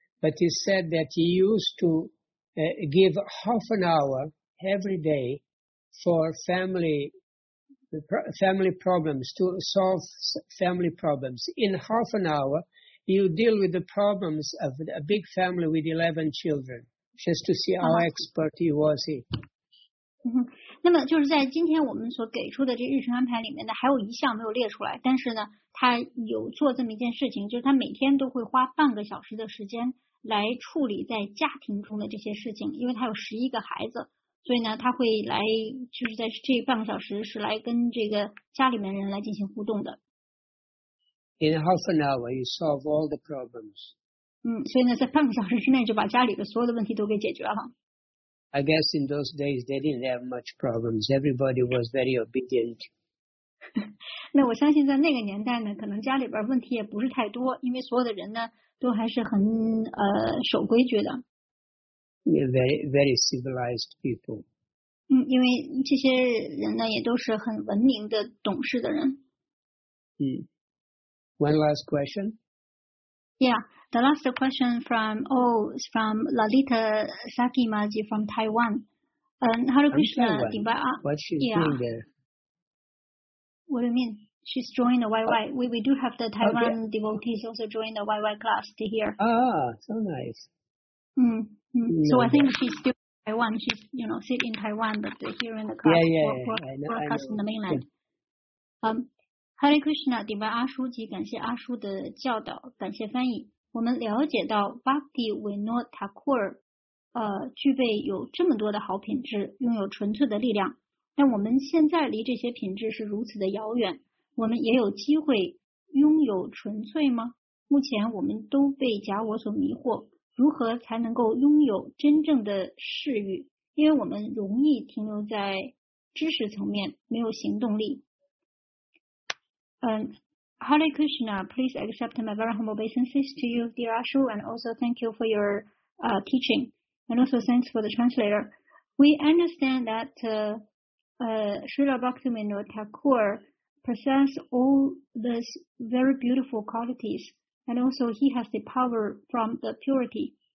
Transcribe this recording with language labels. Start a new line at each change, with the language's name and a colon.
English: But he said that he used to give half an hour every day for family problems, to solve family problems. In half an hour, you deal with the problems of a big family with 11 children. Just to see how expert he was. He.
Chinese: 那么就是在今天我们所给出的这日程安排里面呢，还有一项没有列出来，但是呢他有做这么一件事情，就是他每天都会花半个小时的时间来处理在家庭中的这些事情，因为他有十一个孩子，所以呢他会来就是在这半个小时是来跟这个家里面人来进行互动的。
English: In half an hour you solve all the problems.
Chinese: 所以呢在半个小时之内就把家里的所有的问题都给解决了。
English: I guess in those days they didn't have much problems. Everybody was very obedient.
Chinese: 那我相信在那个年代呢，可能家里边问题也不是太多，因为所有的人呢都还是很守规矩的。
English: Yeah, very very civilized people.
Chinese: 因为这些人呢也都是很文明的懂事的人。
English: One last question. Yeah. The last question from Lalita Saki Maji from Taiwan. Hare Krishna, Dimbai. What's she doing there? What do you mean? She's joined the YY. We do have the Taiwan devotees also join the YY class to hear. So nice. So I think she's still in Taiwan. She's, you know, sit in Taiwan, but here in the class. Yeah, I know. In the mainland. Hare Krishna, Dimbai Ashu Ji,
Chinese: 感谢阿叔的教导，感谢翻译。我们了解到 Bhakti Vinod Thakur 具备有这么多的好品质，拥有纯粹的力量，但我们现在离这些品质是如此的遥远，我们也有机会拥有纯粹吗？目前我们都被假我所迷惑，如何才能够拥有真正的视域？因为我们容易停留在知识层面，没有行动力。
English: Hare Krishna, please accept my very humble obeisances to you, dear Ashu, and also thank you for your teaching, and also thanks for the translator. We understand that Srila Bhaktivinoda Thakur possess all these very beautiful qualities, and also he has the power from the purity.